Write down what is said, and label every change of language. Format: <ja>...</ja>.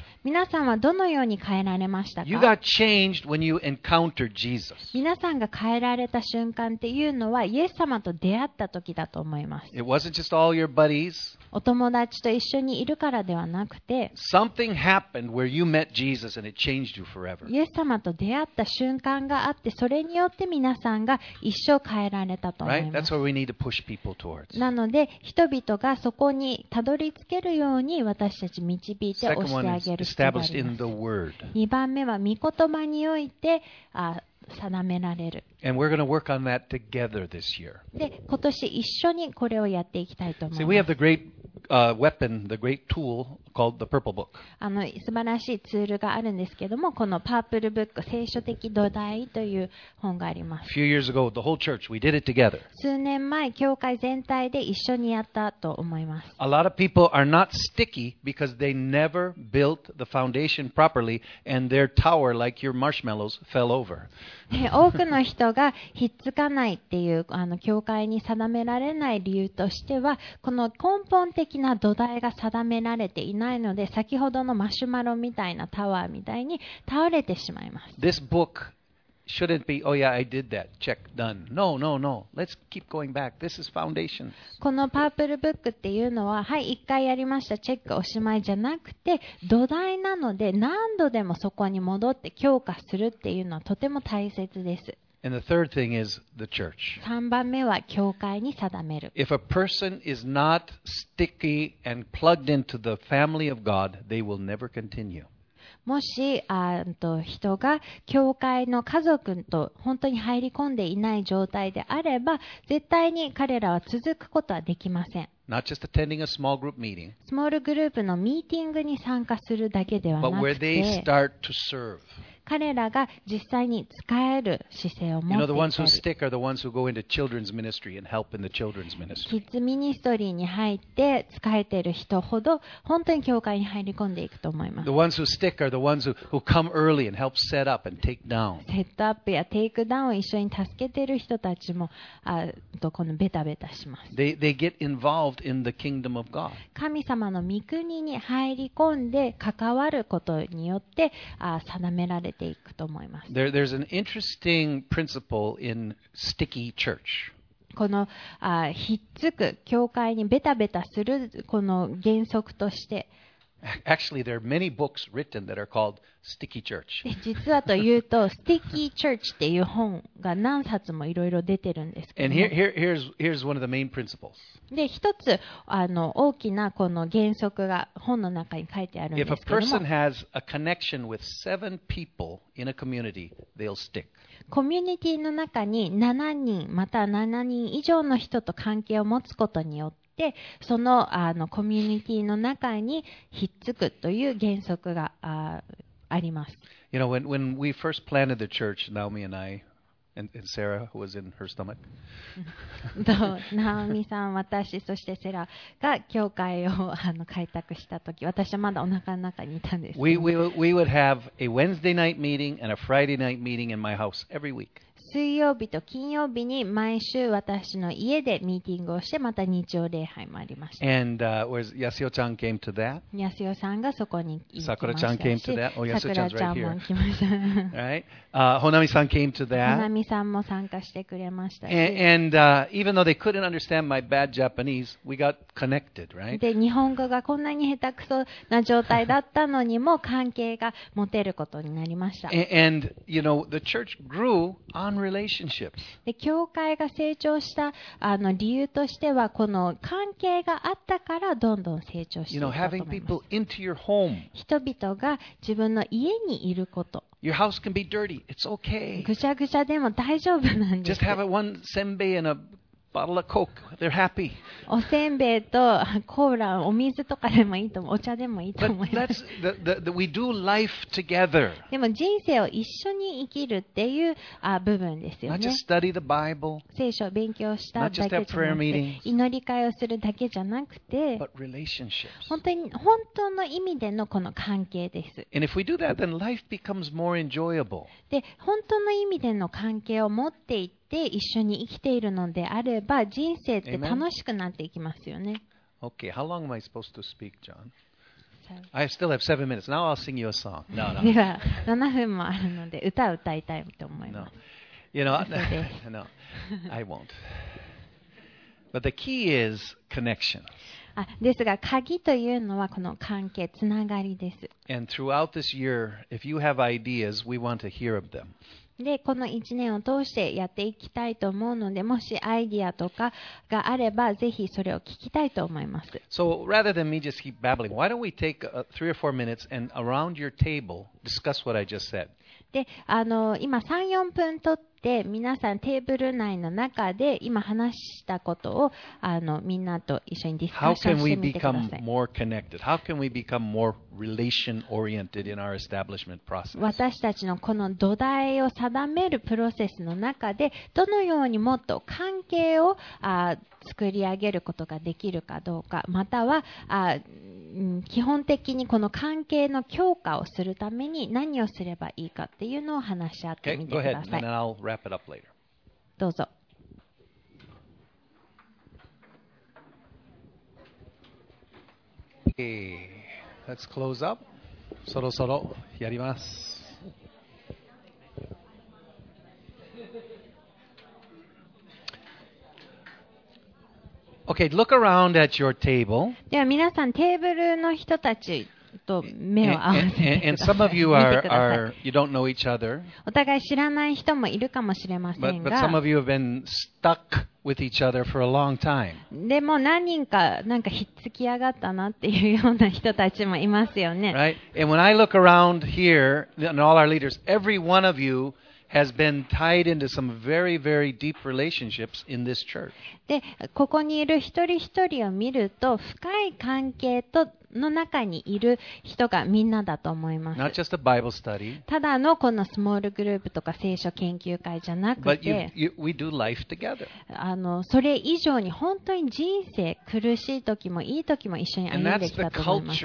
<ja>皆さんはどのように変えられましたか?</ja> <en>You got changed when you encountered Jesus.</en> <ja>皆さんが変えられた瞬間っていうのはイエス様と出会った時だと思います。</ja> <en>It wasn't just all your buddies.</en> <ja>お友達と一緒にいるからではなくて、</ja> <en>Something happened where you met Jesus and it changed you forever.</en> <ja>イエス様と出会った瞬間があって、それによって皆さんが一生変えられたと思います。</ja> <en>Right? That's what we need to push people towards.</en> <ja>なので、人々がそこにたどり着けるように私たち導いて押してあげる必要があります。</ja> <en>Established in the word.</en> <ja>2番目は御言葉において、定められる。</ja> <en>And we're going to work on that together this year.</en> <ja>で、今年一緒にこれをやっていきたいと思います。</ja> <en>See, we have the great, weapon, the great tool called the Purple Book.</en> <ja>あの、素晴らしいツールがあるんですけども、このパープルブック、聖書的土台という本があります。</ja> <en>A few years ago, the whole church, we did it together.</en> <ja>数年前、教会全体で一緒にやったと思います。</ja> <en>A lot of people are not sticky because they never built the foundation properly and their tower, like your marshmallows, fell over.</en> <ja>多くの人がひっつかないっていうあの教会に定められない理由としてはこの根本的な土台が定められていないので先ほどのマシュマロみたいなタワーみたいに倒れてしまいます。</ja> <en>This book shouldn't be, oh yeah, I did that, check, done. No, no, no. Let's keep going back. This is foundations.</en> <ja>このパープルブックっていうのははい、一回やりました、チェックおしまいじゃなくて土台なので何度でもそこに戻って強化するっていうのはとても大切です。</ja> <en>And the third thing is the church.</en> <ja>3番目は教会に定める。</ja> <en>If a person is not sticky and plugged into the family of God, they will never continue.</en> <ja>もし人が教会の家族と本当に入り込んでいない状態であれば、絶対に彼らは続くことはできません。</ja> <en>Not just attending a small group meeting,</en> <ja>スモールグループのミーティングに参加するだけではなくて、</ja> <en>but where they start to serve.</en> <ja>彼らが実際に使える姿勢を持っていたり、</ja> <en>you know, the ones who stick are the ones who go into children's ministry and help in the children's ministry.</en> <ja>キッズミニストリーに入って使えている人ほど本当に教会に入り込んでいくと思います。</ja> <en>The ones who stick are the ones who come early and help set up and take down.</en> <ja>セットアップやテイクダウンを一緒に助けている人たちも、このベタベタします。</ja> <en>They get involved in the kingdom of God.</en> <ja>神様の御国に入り込んで関わることによって定められていく。</ja> <en>There's an interesting principle in sticky church.</en> <ja>このひっつく教会にベタベタするこの原則として。</ja> <en>Actually, there are many books written that are called sticky church.</en> <ja>実はというと、sticky church っていう本が何冊もいろいろ出てるんですけど。</ja> <en>And here's one of the main principles.</en> <ja>で、一つ大きなこの原則が本の中に書いてあるんですけども。</ja> <en>If a person has a connection with seven people in a community, they'll stick.</en> <ja>コミュニティの中に7人また7人以上の人と関係を持つことによって、その、コミュニティの中にひっつくという原則が あります。</ja> <en>You know, when we first planted the church, Naomi and I, and Sarah, who was in her stomach.</en> <ja>Naomi さん、私、そしてセラが教会を開拓したとき、私はまだお腹の中にいたんです。</ja> <en>We would have a Wednesday night meeting and a Friday night meeting in my house every week.</en> <ja>水曜日と金曜日に毎週私の家でミーティングをして、また日曜礼拝もありました。</ja> <en>And where's Yasuo chan came to that?</en> <ja>Yasuo さんがそこに行きましたし、</ja> <en>Sakura chan came to that. Oh, Yasuo chan's right here.</en> <ja>Sakura chan も来ました。</ja> <en>Right? Honami さん came to that.</en> <ja>Honami さんも参加してくれましたし。</ja> <en>Even though they couldn't understand my bad Japanese, we got connected, right?</en> <ja>で、日本語がこんなに下手くそな状態だったのにも関係が持てることになりました。</ja> <en>And you know, the church grew on relationships.</en> <ja>で、教会が成長した理由としては、この関係があったからどんどん成長していったと思います。</ja> <en>You know, having people into your home.</en> <ja>人々が自分の家にいること。</ja> <en>Your house can be dirty. It's okay.</en> <ja>ぐちゃぐちゃでも大丈夫なんです。</ja> <en>Just have one senbei and a bottle of coke. They're happy.</en> <ja>おせんべいとコーラ、お水とかでもいいと思う。お茶でもいいと思います。</ja> <en>But that's the we do life together.</en> <ja>でも人生を一緒に生きるっていう部分ですよね。</ja> <en>Not just study the Bible.</en> <ja>聖書を勉強しただけじゃなくて、</ja> <en>Not just have prayer meetings.</en> <ja>祈り会をするだけじゃなくて、</ja> <en>But relationships.</en> <ja>本当の意味でのこの関係です。</ja> <en>And if we do that, then life becomes more enjoyable.</en> <ja>で、本当の意味での関係を持っていて、で一緒に生きているのであれば、人生って楽しくなっていきますよね。</ja> <en>Okay, how long am I supposed to speak, John? I still have 7 minutes. Now I'll sing you a song. No, no.</en> <ja>では7分もあるので歌を歌いたいと思います。</ja> <en>No. You know, no, I won't. But the key is connection.</en> <ja>ですが鍵というのはこの関係、つながりです。</ja> <en>And throughout this year, if you have ideas, we want to hear of them.</en> <ja>で、この一年を通してやっていきたいと思うので、もしアイディアとかがあれば、ぜひそれを聞きたいと思います。</ja> <en>So, rather than me just keep babbling, why don't we take three or four minutes and around your table discuss what I just said?</en> <ja>で、今3、4分取って、皆さんテーブル内の中で今話したことをみんなと一緒にディスカッションしてみてください。</ja> <en>How can we become more connected? How can we become more relation-oriented in our establishment process?</en> <ja>私たちのこの土台を定めるプロセスの中で、どのようにもっと関係を作り上げることができるかどうか、または基本的にこの関係の強化をするために何をすればいいかっていうのを話し合ってみてください。</ja> <en>Okay, go ahead, and I'll wrap it up later.</en> <ja>どうぞ。</ja> <en>Okay, let's close up.</en> <ja>そろそろやります。</ja> <en>Okay, look around at your table.</en> <ja>では皆さんテーブルの人たちと目を合わせてください。</ja> <en>And some of you you don't know each other.</en> <ja>お互い知らない人もいるかもしれませんが。</ja> <en>But some of you have been stuck with each other for a long time.</en> <ja>でも何人かなんかひっつき上がったなっていうような人たちもいますよね。</ja> <en>Right? And when I look around here and all our leaders, every one of you has been tied into some very, very deep relationships in this church.</en> <ja>で、ここにいる一人一人を見ると深い関係との中にいる人がみんなだと思います。</ja> <en>Not just a Bible study.</en> <ja>ただのこのスモールグループとか聖書研究会じゃなくて、</ja> <en>But we do life together.</en> <ja>あの、それ以上に本当に人生苦しい時もいい時も一緒に歩んできたと思います。</ja>